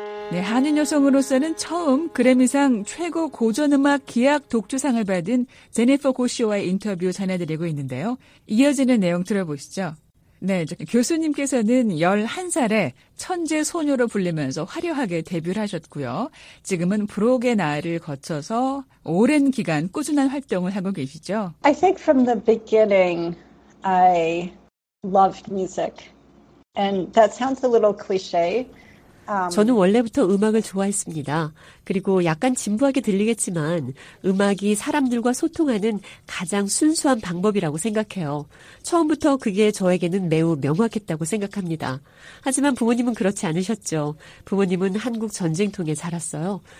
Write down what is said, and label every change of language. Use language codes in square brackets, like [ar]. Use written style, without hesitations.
[ko] 네, 한인 여성으로서는 처음 그래미상 최고 고전음악 기악 독주상을 받은 제니퍼 고쇼와의 인터뷰 전해드리고 있는데요. 이어지는 내용 들어보시죠. 네, 교수님께서는 11살에 천재 소녀로 불리면서 화려하게 데뷔를 하셨고요. 지금은 브록의 나이를 거쳐서 오랜 기간 꾸준한 활동을 하고 계시죠. [en] I think from the beginning I loved music. And that sounds a little cliché. [ko] 저는 원래부터 음악을 좋아했습니다. 그리고 약간 진부하게 들리겠지만 음악이 사람들과 소통하는 가장 순수한 방법이라고 생각해요. 처음부터 그게 저에게는 매우 명확했다고 생각합니다. 하지만 부모님은 그렇지 않으셨죠. 부모님은 한국 전쟁통에 자랐어요.